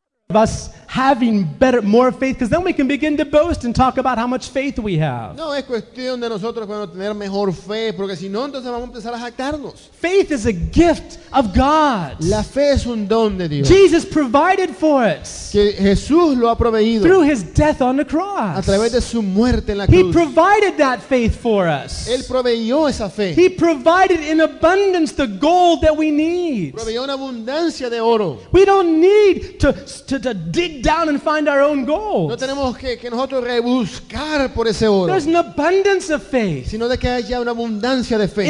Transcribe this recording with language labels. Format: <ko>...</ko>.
<en>Of us having better, more faith, because then we can begin to boast and talk about how much faith we have.</en> <es>No es cuestión de nosotros bueno, tener mejor fe, porque si no, entonces vamos a empezar a jactarnos.</es> <en>Faith is a gift of God.</en> <es>La fe es un don de Dios.</es> <en>Jesus provided for it.</en> <es>Que Jesús lo ha proveído.</es> <en>Through his death on the cross.</en> <es>A través de su muerte en la</es> <en>he</en> <es>cruz.</es> <en>He provided that faith for us.</en> <es>Él proveyó esa fe.</es> <en>He provided in abundance the gold that we need.</en> <es>Proveyó una abundancia de oro.</es> <en>We don't need to dig down and find our own gold.</en> <es>No tenemos que nosotros rebuscar por ese oro.</es> <en>There's an abundance of faith.</en> <es>Sino de que haya una abundancia de fe.</es>